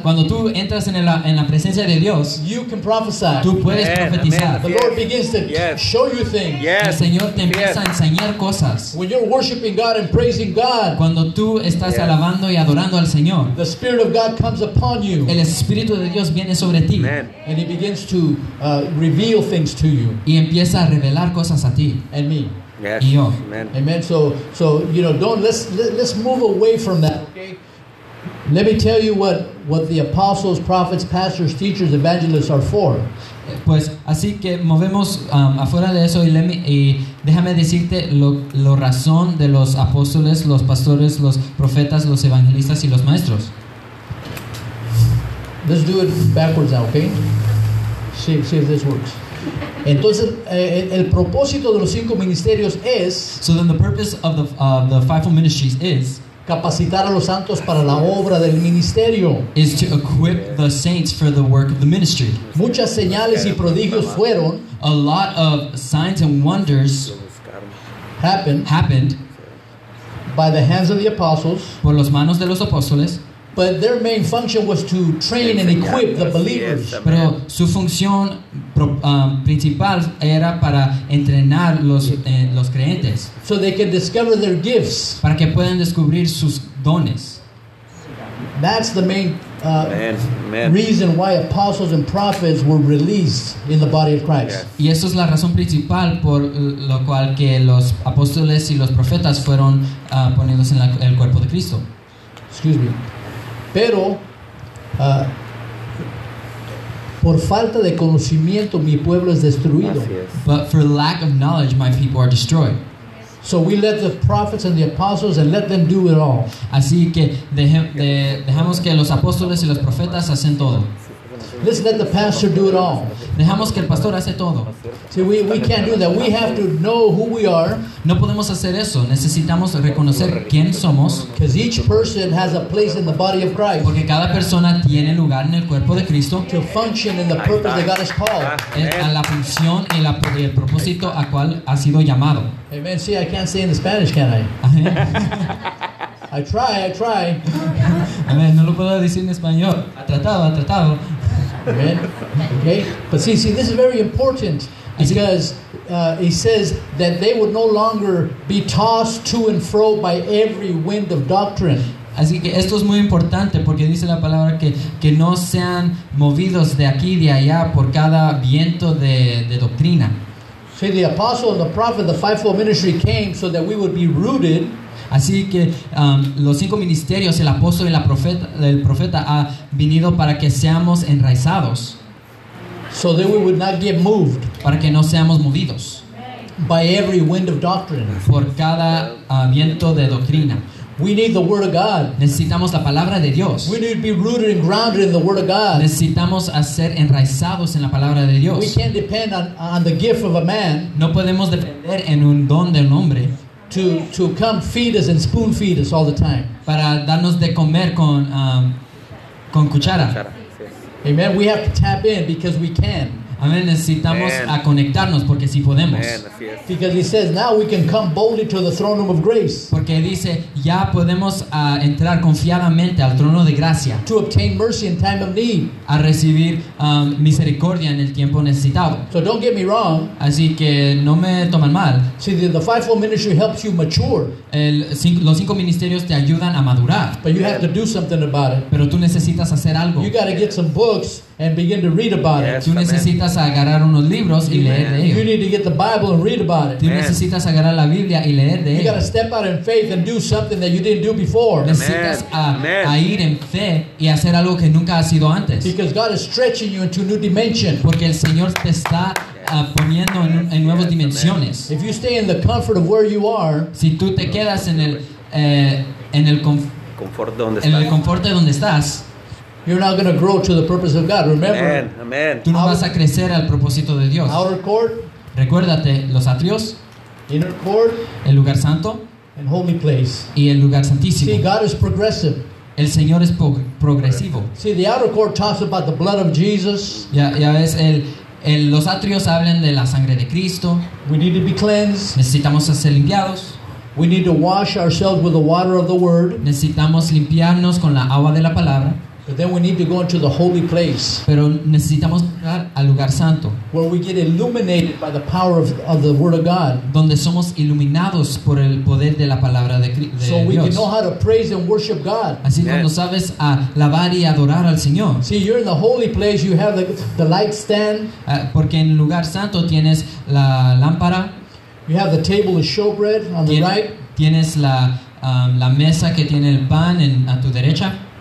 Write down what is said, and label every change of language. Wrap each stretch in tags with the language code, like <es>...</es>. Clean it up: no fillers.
<es>Cuando tú entras en la presencia de Dios,</es> <en>you can prophesy.</en> <es>Tú puedes profetizar.</es> <en>The Lord begins to show you things.</en> <es>El Señor te empieza a enseñar cosas.</es> <en>When you're worshiping God and praising God,</en> <es>cuando tú estás alabando y adorando al Señor,</es> <en>the Spirit of God comes upon you.</en> <es>El Espíritu de Dios viene sobre ti.</es> <en>And He begins to reveal things to you.</en> <es>Y empieza a revelar cosas a ti.</es> <en>And me. Yes.</en> <es>Yo.</es> <en>Amen. Amen. So you know, let's move away from that. Okay. Let me tell you what the apostles, prophets, pastors, teachers, evangelists are for.</en> <es>Pues así que movemos afuera de eso y déjame decirte lo razón de los apóstoles, los pastores, los profetas, los evangelistas y los maestros.</es> <en>Let's do it backwards now, okay? See if this works.</en> <es>Entonces, el propósito de los cinco ministerios es,</es> <en>so then the purpose of the fivefold ministries is,</en> <es>capacitar a los santos para la obra del ministerio,</es> <en>is to equip the saints for the work of the ministry.</en> <es>Muchas señales y prodigios fueron,</es> <en>a lot of signs and wonders happened by the hands of the apostles,</en> <es>por las manos de los apóstoles.</es> <en>But their main function was to train and equip the believers.</en> <es>Pero su función principal era para entrenar los creyentes.</es> <en>So they could discover their gifts.</en> <es>Para que puedan descubrir sus dones.</es> <en>That's the main reason why apostles and prophets were released in the body of Christ.</en> <es>Y eso es la razón principal por lo cual que los apóstoles y los profetas fueron ponidos en el cuerpo de Cristo.</es> <en>Excuse me.</en> <es>Pero, por falta de conocimiento, mi pueblo es destruido.</es> <en>But for lack of knowledge, my people are destroyed. So we let the prophets and the apostles and let them do it all.</en> <es>Así que dejamos que los apóstoles y los profetas hacen todo.</es> <en>Let's let the pastor do it all.</en> <es>Dejamos que el pastor hace todo.</es> <en>See, we can't do that. We have to know who we are.</en> <es>No podemos hacer eso. Necesitamos reconocer quién somos.</es> <en>Because each person has a place in the body of Christ.</en> <es>Porque cada persona tiene lugar en el cuerpo de Cristo.</es> <en>To function in the purpose that God has called.</en> <es>A la función y el propósito a cual ha sido llamado.</es> <en>Amen. See, I can't say in the Spanish, can I? I try.</en> <es>Amen. No lo puedo decir en español. Ha tratado.</es> <en>Amen. Okay. But see, this is very important because he says that they would no longer be tossed to and fro by every wind of doctrine.</en> <es>Así que esto es muy importante porque dice la palabra que no sean movidos de aquí y de allá por cada viento de doctrina.</es> <en>See, the apostle and the prophet, the fivefold ministry came so that we would be rooted.</en> <es>Así que los cinco ministerios, el apóstol y el profeta ha venido para que seamos enraizados.</es> <en>So that we would not get moved.</en> <es>Para que no seamos movidos.</es> <en>By every wind of doctrine.</en> <es>Por cada viento de doctrina.</es> <en>We need the word of God.</en> <es>Necesitamos la palabra de Dios.</es> <en>We need to be rooted and grounded in the word of God.</en> <es>Necesitamos ser enraizados en la palabra de Dios.</es> <en>We can't depend on the gift of a man.</en> <es>No podemos depender en un don de un hombre.</es> <en>To come feed us and spoon feed us all the time.</en> <es>Para darnos de comer con cuchara.</es> <en>Amen. We have to tap in because we can.</en> <es>Amen. Necesitamos a conectarnos porque si podemos.</es> <en>Because he says now we can come boldly to the throne room of grace.</en> <es>Porque dice ya podemos entrar confiadamente al trono de gracia.</es> <en>To obtain mercy in time of need.</en> <es>A recibir misericordia en el tiempo necesitado.</es> <en>So don't get me wrong.</en> <es>Así que no me toman mal.</es> <en>See, the fivefold ministry helps you mature.</en> <es>Los cinco ministerios te ayudan a madurar.</es> <en>But you have to do something about it.</en> <es>Pero tú necesitas hacer algo.</es> <en>You got to get some books. And begin to read about it.</en> <es>Tú necesitas agarrar unos libros y leer de ellos.</es> <en>You need to get the Bible and read about it.</en> <es>Tú necesitas agarrar la Biblia y leer de ellos.</es> <en>You got to step out in faith and do something that you didn't do before.</en> <es>Necesitas a ir en fe y hacer algo que nunca ha sido antes.</es> <en>Because God is stretching you into new dimension.</en> <es>Porque el Señor te está poniendo en nuevas dimensiones.</es> <en>If you stay in the comfort of where you are,</en> <es>si tú te quedas en el confort de donde estás.</es> <en>You're not going to grow to the purpose of God. Remember. Amen. Amen.</en> <es>Tú no vas a crecer al propósito de Dios.</es> <en>Outer court.</en> <es>Recuérdate, los atrios.</es> <en>Inner court.</en> <es>El lugar santo.</es> <en>And holy place.</en> <es>Y el lugar santísimo.</es> <en>See, God is progressive.</en> <es>El Señor es progresivo.</es> <en>See, the outer court talks about the blood of Jesus.</en> <es>Ya ves, los atrios hablan de la sangre de Cristo.</es> <en>We need to be cleansed.</en> <es>Necesitamos ser limpiados.</es> <en>We need to wash ourselves with the water of the word.</en> <es>Necesitamos limpiarnos con la agua de la palabra.</es> <en>But then we need to go into the holy place.</en> <es>Pero necesitamos ir al lugar santo.</es> <en>Where we get illuminated by the power of the word of God.</en> <es>Donde somos iluminados por el poder de la palabra de Dios.</es> <en>So we can know how to praise and worship God.</en> <es>Así cuando sabes alabar y adorar al Señor.</es> <en>See, you're in the holy place. You have the light stand.</en> <es>Porque en el lugar santo tienes la lámpara.</es> <en>You have the table of showbread on the right.</en> <es>Tienes la mesa que tiene el pan a tu derecha.</es>